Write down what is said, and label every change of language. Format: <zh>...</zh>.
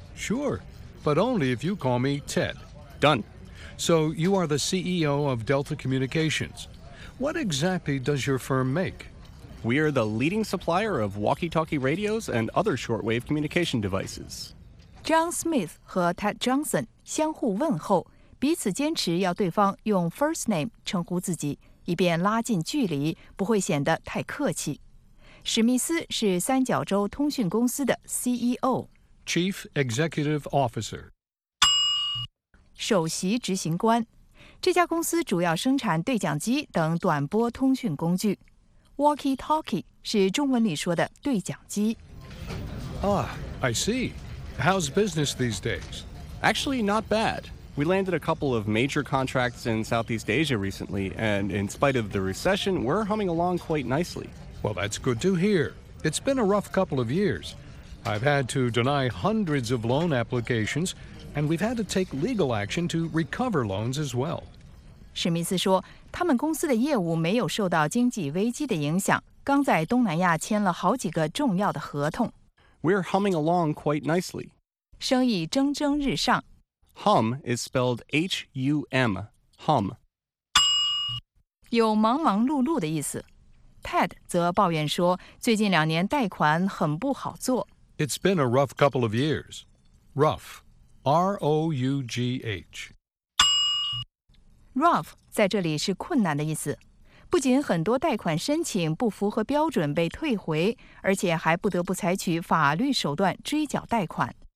<en>Sure, but only if you call me Ted. Done. So you are the CEO of Delta Communications. What exactly does your firm make? We are the leading supplier of walkie-talkie radios and other shortwave communication devices.</en> <zh>John Smith 和 Ted Johnson 相互问候，彼此坚持要对方用 first name 称呼自己，以便拉近距离，不会显得太客气。史密斯是三角洲通讯公司的 CEO， Chief Executive Officer，首席执行官。这家公司主要生产对讲机等短波通讯工具。 Walkie-talkie 是中文里说的对讲机。</zh> <en>I see. How's business these days? Actually, not bad. We landed a couple of major contracts in Southeast Asia recently, and in spite of the recession, we're humming along quite nicely. Well, that's good to hear. It's been a rough couple of years. I've had to deny hundreds of loan applications, and we've had to take legal action to recover loans as well.</en> <zh>史密斯说，他们公司的业务没有受到经济危机的影响，刚在东南亚签了好几个重要的合同。</zh> <en>We're humming along quite nicely.</en> <zh>生意蒸蒸日上。</zh> <en>Hum is spelled H-U-M, hum.</en> <zh>有忙忙碌碌的意思。 Ted 则抱怨说，最近两年贷款很不好做。</zh> <en>It's been a rough couple of years. Rough, R-O-U-G-H.</en> <zh>Rough 在这里是困难的意思，不仅很多贷款申请不符合标准被退回，而且还不得不采取法律手段追缴贷款。</zh>